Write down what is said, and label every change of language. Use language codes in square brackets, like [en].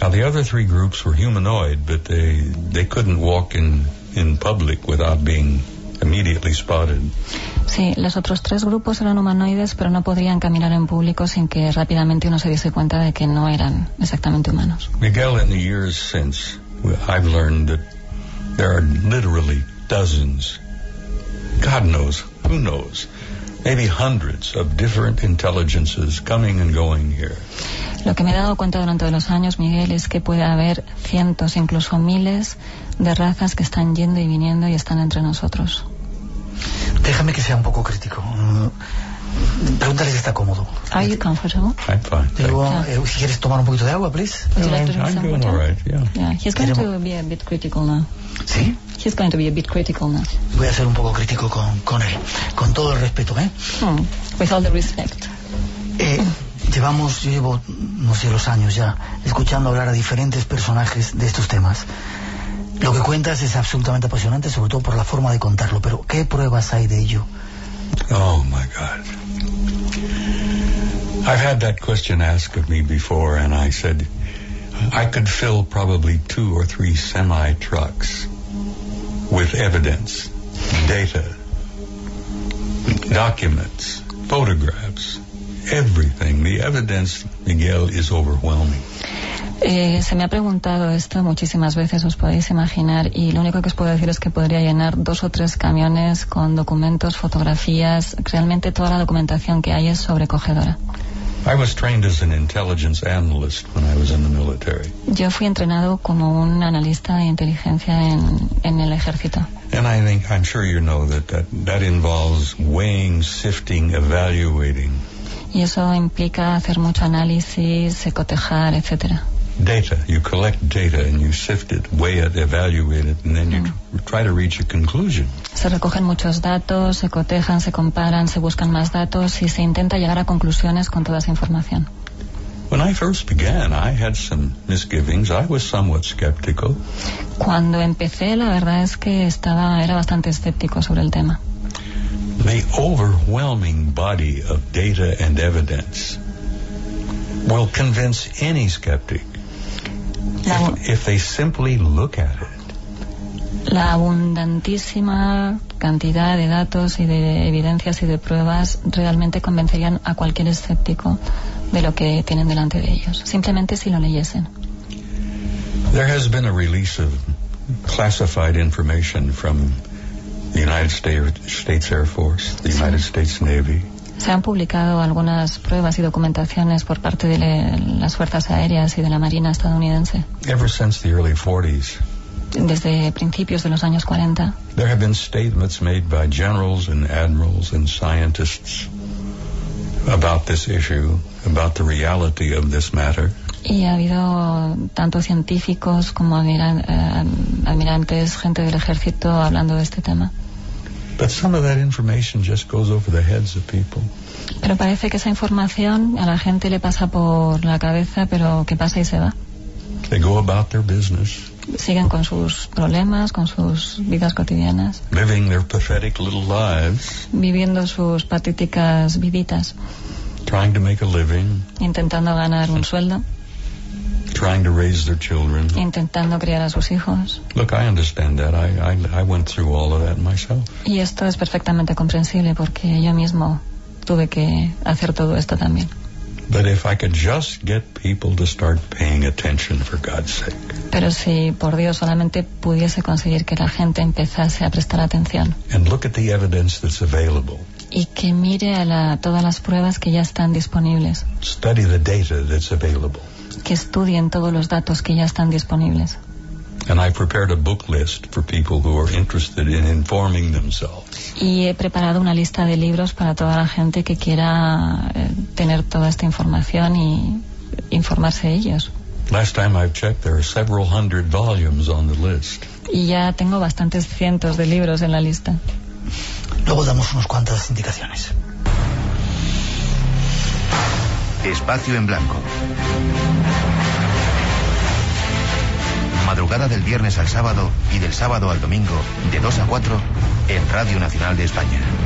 [en] Now, the other three groups were humanoid, but they couldn't walk in public without being immediately spotted. [es] Sí, los otros tres grupos eran humanoides, pero no podrían caminar en público sin que rápidamente uno se diese cuenta de que no eran exactamente humanos. [en] Miguel, in the years since, I've learned that there are literally dozens, God knows, who knows, maybe hundreds of different intelligences coming and going here. [es] Lo que me he dado cuenta durante los años, Miguel, es que puede haber cientos, incluso miles de razas que están yendo y viniendo y están entre nosotros. Déjame que sea un poco crítico. Pregúntale si está cómodo. [en] Are you comfortable? I'm fine. [es] Digo, si quieres tomar un poquito de agua, [en] please. Would you like to drink I'm doing water? All right, yeah. He's going to be a bit critical now. [es] ¿Sí? [en] He's going to be a bit critical now. [es] Voy a ser un poco crítico con él, con todo el respeto, ¿eh? [en] With all the respect. [es] Yo llevo, no sé, los años ya, escuchando hablar a diferentes personajes de estos temas. Lo que cuentas es absolutamente apasionante, sobre todo por la forma de contarlo, pero ¿qué pruebas hay de ello? [en] Oh, my God. I've had that question asked of me before, and I said, I could fill probably 2 or 3 semi-trucks with evidence, data, documents, photographs, everything. The evidence, Miguel, is overwhelming. [es] Se me ha preguntado esto muchísimas veces, os podéis imaginar, y lo único que os puedo decir es que podría llenar 2 o 3 camiones con documentos, fotografías, realmente toda la documentación que hay es sobrecogedora. [en] I was trained as an intelligence analyst when I was in the military. [es] Yo fui entrenado como un analista de inteligencia en el ejército. [en] And I think, I'm sure you know that involves weighing, sifting, evaluating. [es] Y eso implica hacer mucho análisis, cotejar, etc. [en] Data. You collect data and you sift it, weigh it, evaluate it, and then you try to reach a conclusion. [es] Se recogen muchos datos, se cotejan, se comparan, se buscan más datos y se intenta llegar a conclusiones con toda esa información. [en] When I first began, I had some misgivings. I was somewhat skeptical. [es] Cuando empecé, la verdad es que era bastante escéptico sobre el tema. [en] The overwhelming body of data and evidence will convince any skeptic. If they simply look at it. [es] La abundantísima cantidad de datos y de evidencias y de pruebas realmente convencerían a cualquier escéptico de lo que tienen delante de ellos, simplemente si lo leyesen. [en] There has been a release of classified information from the United States Air Force, the United States Navy. [es] Se han publicado algunas pruebas y documentaciones por parte de las Fuerzas Aéreas y de la Marina estadounidense. [en] Ever since the early 40s, [es] desde principios de los años 40, [en] there have been statements made by generals and admirals and scientists about this issue, about the reality of this matter. [es] Y ha habido tanto científicos como almirantes, gente del ejército, hablando de este tema. [en] But some of that information just goes over the heads of people. [es] Pero parece que esa información a la gente le pasa por la cabeza, pero que pasa y se va. [en] They go about their business. [es] Siguen con sus problemas, con sus vidas cotidianas. [en] Living their pathetic little lives. [es] Viviendo sus patéticas viditas. [en] Trying to make a living. [es] Intentando ganar un sueldo. [en] Trying to raise their children. [es] Intentando criar a sus hijos. [en] Look, I understand that. I went through all of that myself. [es] Y esto es perfectamente comprensible porque yo mismo tuve que hacer todo esto también. [en] But if I could just get people to start paying attention, for God's sake. [es] Pero si por Dios solamente pudiese conseguir que la gente empezase a prestar atención. [en] And look at the evidence that's available. [es] Y que mire todas las pruebas que ya están disponibles. [en] Study the data that's available. [es] Que estudien todos los datos que ya están disponibles. [en] And I've prepared a book list for people who are interested in informing themselves. [es] Y he preparado una lista de libros para toda la gente que quiera tener toda esta información y informarse ellos. [en] Last time I've checked, there are several hundred volumes on the list. [es] Y ya tengo bastantes cientos de libros en la lista. Luego damos unas cuantas indicaciones. Espacio en blanco. Madrugada del viernes al sábado y del sábado al domingo, de 2 a 4, en Radio Nacional de España.